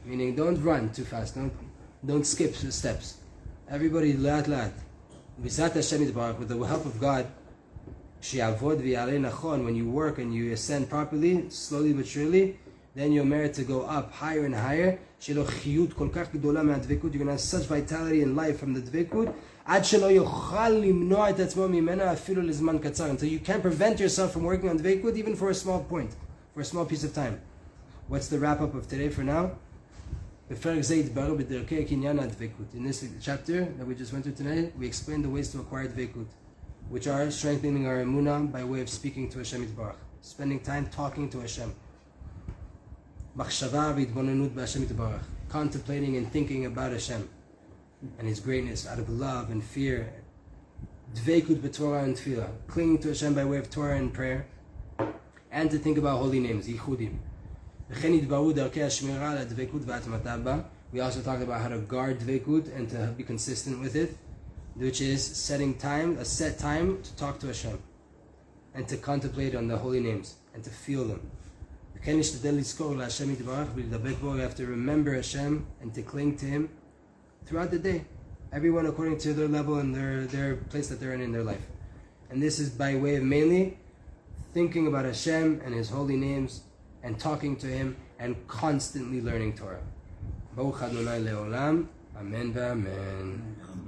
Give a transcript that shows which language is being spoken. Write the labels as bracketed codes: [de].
[en] Meaning, don't run too fast. Don't skip the steps. Everybody, lat lat. With the help of God, when you work and you ascend properly, slowly but surely, then you'll merit to go up higher and higher. [he] שלא חיות כל כך גדולה מהדבקות, [en] you're going to have such vitality in life from the דבקות, [he] עד שלא יוכל למנוע את עצמו ממנה אפילו לזמן קצר. [en] And so you can't prevent yourself from working on דבקות even for a small point, for a small piece of time. What's the wrap-up of today for now? [he] בפרק זה התברר בדרכי הקניין הדבקות. [en] In this chapter that we just went through today, we explained the ways to acquire דבקות, which are strengthening our אמונה by way of speaking to Hashem יתברך, spending time talking to Hashem. [he] מחשבה והתבוננות בהשם יתברך. [en] Contemplating and thinking about Hashem and His greatness out of love and fear. [he] דבקות בתורה ותפילה. [en] Clinging to Hashem by way of Torah and prayer. And to think about holy names, ייחודים. [he] וכן התבררו דרכי השמירה על הדבקות והתמתה בה. [en] We also talked about how to guard דבקות and to be consistent with it. Which is setting time, a set time to talk to Hashem. And to contemplate on the holy names and to feel them. [he] כן נשתדל לזכור להשם יתברך ולדבק בו. [en] You have to remember Hashem and to cling to Him throughout the day. Everyone according to their level and their place that they're in their life. And this is by way of mainly thinking about Hashem and His holy names and talking to Him and constantly learning Torah. [he] Baruch Adonai Leolam. [en] Amen v'amen.